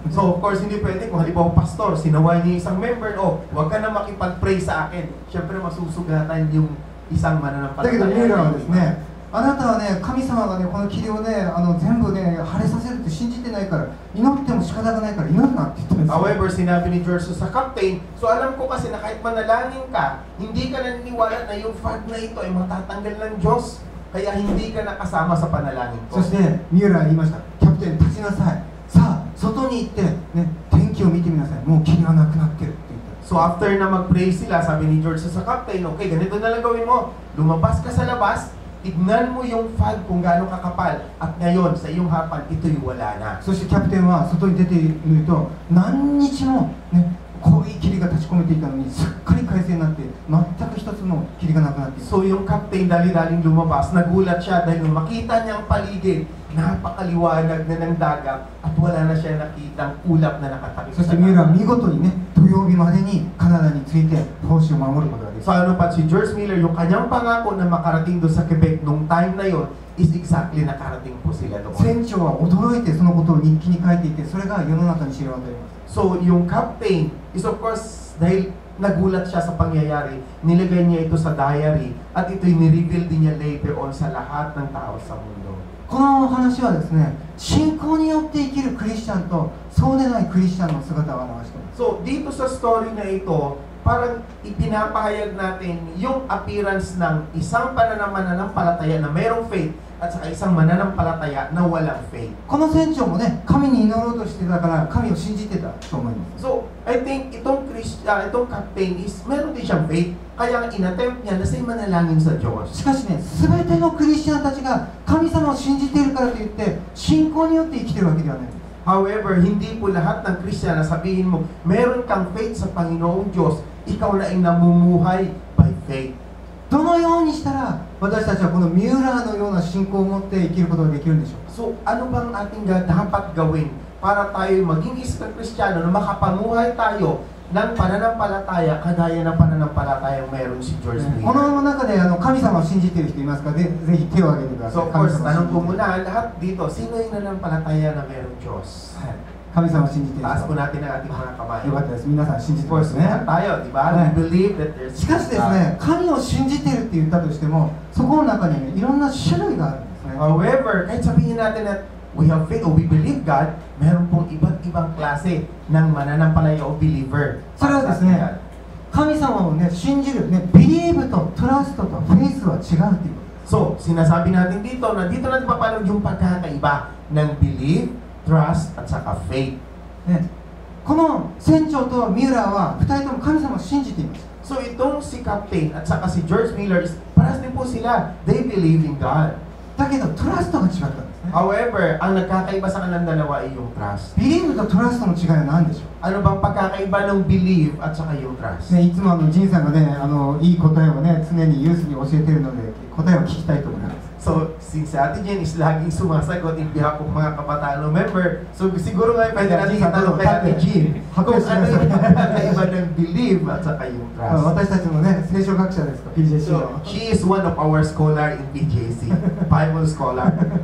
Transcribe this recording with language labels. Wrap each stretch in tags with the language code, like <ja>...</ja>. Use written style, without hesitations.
<tl>So, of course, hindi pwede kung halimbawa pastor, sinaway niya isang member, oh, huwag ka nang makipag-pray sa akin. Siyempre, masusugatan yung isang mananampalataya.</tl> <ja>だけどミューラはですね、あなたはね、神様がね、この霧をね、全部ね、晴れさせるって信じてないから、祈っても仕方がないから祈るなって言ってます。</ja> <tl>However, sinabi ni George sa captain, so alam ko kasi na kahit manalangin ka, hindi ka naniniwala na yung fog na ito ay matatanggal ng Diyos, kaya hindi ka nakasama sa panalangin ko.</tl> <ja>そして、ミューラーは言いました。キャプテン、立ちなさい。さあ、外に行って、ね、天気を見てみなさい。もう霧はなくなってる。</ja> <tl>So after na mag-pray sila, sabi ni George sa captain, okay, ganito na lang gawin mo. Lumabas ka sa labas,tignan mo yung fog kung gaano kakapal at ngayon sa iyong harapan ito yung wala na.</tl> <ja>そしてキャプテンは外に出てみると何日もね、濃い霧が立ち込めていたのにすっかり快晴になって全く一つの霧がなくなって。</ja> <tl>So yung captain dali-daling lumabas, nagulat siya dahil makita niya ang paligid, napakaliwanag na ng dagat at wala na siya nakitang ulap na nakatakip.</tl> <ja>そしてミューラー見事にね、土曜日までにカナダに着いて奉仕を守ることができた。</ja> <tl>So, ano pa si George Miller, yung kanyang pangako na makarating doon sa Quebec nung time na yon is exactly nakarating po sila doon.</tl> <ja>船長は驚いてそのことを日記に書いていて、それが世の中に知れ渡ります。</ja> <tl>So, yung captain is of course, dahil nagulat siya sa pangyayari, nilagay niya ito sa diary at ito'y nireveal din niya later on sa lahat ng tao sa mundo.</tl> <ja>この話はですね、信仰によって生きるクリスチャンとそうでないクリスチャンの姿を表しています。</ja> <tl>So, dito sa story na ito,parang ipinapahayag natin yung appearance ng isang mananampalataya na mayroong faith at saka isang mananampalataya na walang faith.</tl> <ja>この船長もね、神に祈ろうとしてたから神を信じてたと思います。</ja> <tl>So,</tl> <en>I think</en> <tl>itong captain is meron din siyang faith kaya ang inattempt niya na siya manalangin sa Diyos.</tl> <ja>しかしね、全てのクリスチャンたちが神様を信じているからといって信仰によって生きてるわけではない。</ja> <tl>However, hindi po lahat ng Kristiyano na sabihin mo meron kang faith sa Panginoong Diyos, ikaw na ay namumuhay by faith.</tl> <ja>どのようにしたら私たちはこのミューラーのような信仰を持って生きることができるんでしょうか。</ja> <tl>So, ano bang ating dapat gawin para tayo maging isang Kristiyano na makapamuhay tayo ng pananampalataya kagaya ng pananampalataya ang meron si George Miller.</tl> <ja>この中で神様を信じている人いますか？ぜひ手を挙げてください。</ja> <tl>So, of course, tanong ko muna lahat dito, sino yung nananampalataya na meron Diyos?</tl> <ja>神様を信じている人。</ja> <tl>Paso natin ang ating mga kamay.</tl> <ja>よかったです。皆さん信じてますね。</ja> <tl>Tayo, di ba?</tl> <en>We believe that there's...</en> <ja>しかしですね、神を信じているって言ったとしても、そこの中にいろんな種類があるんですね。</ja> <tl>However, kahit sabihin natin</tl> <en>that we have faith or we believe God,</en> <tl>meron pong iba't ibang klase ng mananampalataya o believer.</tl> <ja>それはですね、神様を、ね、信じる、ね、believe と trust と faith は違うっていうこと。</ja> <tl>So, sinasabi natin dito na dito natin papanood yung pagkakaiba ng believe,Trust at saka faith.</tl> <ja>ね、この船長とミューラーは2人とも神様を信じています。</ja> <tl>So, itong si Captain at saka si George Miller is parang din po sila,</tl> <en>they believe in God.</en> <ja>だけど、トラストが違ったんですね。</ja> <tl>However, ang nagkakaiba sa kanilang dalawa ay yung trust.</tl> <ja>Believe とトラストの違いは何でしょう？</ja> <tl>ano bang pagkakaiba ng believe at saka yung trust?</tl> <ja>ね、いつも仁さんがね、いい答えをね、常にユースに教えているので、答えを聞きたいと思います。</ja> <tl>So, since Ate Jen is laging sumasagot</tl> <en>in behalf of</en> <tl>mga kabataan, remember, so siguro ngayon pwede natin sa talong kay Ate Jen, kung ano yung pagkaiba ng belief at saka yung trust.</tl> <ja>私たちもね、聖書学者ですか、PJC の。</ja> <en>She is one of our scholar in PJC, Bible scholar.</en>